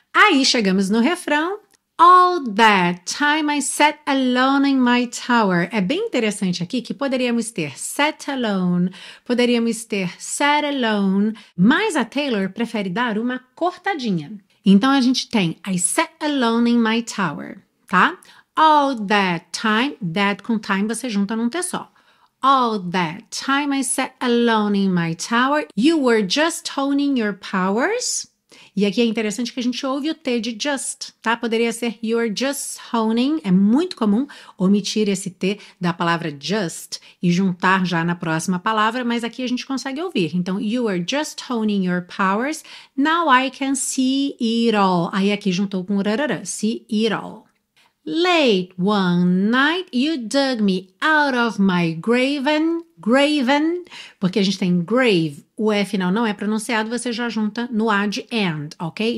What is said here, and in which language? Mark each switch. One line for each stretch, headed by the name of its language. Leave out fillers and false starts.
Portuguese: Aí chegamos no refrão.
English: All that time I sat alone in my tower.
Portuguese: É bem interessante aqui que poderíamos ter
English: sat alone,
Portuguese: poderíamos ter sat alone, mas a Taylor prefere dar uma cortadinha. Então a gente tem
English: I sat alone in my tower, tá? All that time,
Portuguese: that com time você junta num T só.
English: All that time I sat alone in my tower, you were just honing your powers.
Portuguese: E aqui é interessante que a gente ouve o T de just, tá? Poderia ser
English: you're just honing.
Portuguese: É muito comum omitir esse T da palavra just e juntar já na próxima palavra, mas aqui a gente consegue ouvir.
English: Então, you are just honing your powers. Now I can see it all.
Portuguese: Aí aqui juntou com
English: rarara, see it all. Late one night, you dug me out of my graven,
Portuguese: porque a gente tem grave, o E final não é pronunciado, você já junta no A de and, ok?